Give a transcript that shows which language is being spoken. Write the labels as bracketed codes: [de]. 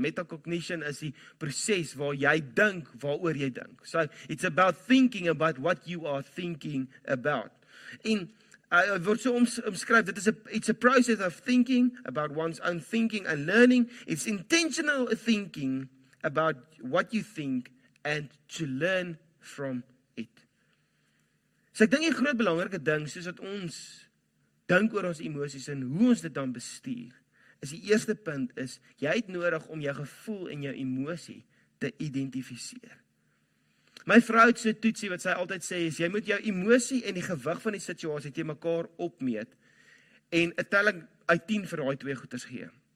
[af] Metacognition is die proses waar jy dink, waaroor jy dink. [en] So, it's about thinking about what you are thinking about. [af] En, word so omskryf, [en] it's a process of thinking about one's own thinking and learning. It's intentional thinking about what you think and to learn from it. [af] So, ek dink die groot belangrike ding, soos dat ons dink oor ons emoties en hoe ons dit dan bestuur, is die eerste punt is, jy het nodig om jou gevoel en jou emosie te identifiseer. My vrou het so toetsie wat sy altyd sê, is jy moet jou emosie en die gewig van die situasie te mekaar opmeet, en 'n telling uit 10 vir daai twee goeders gee.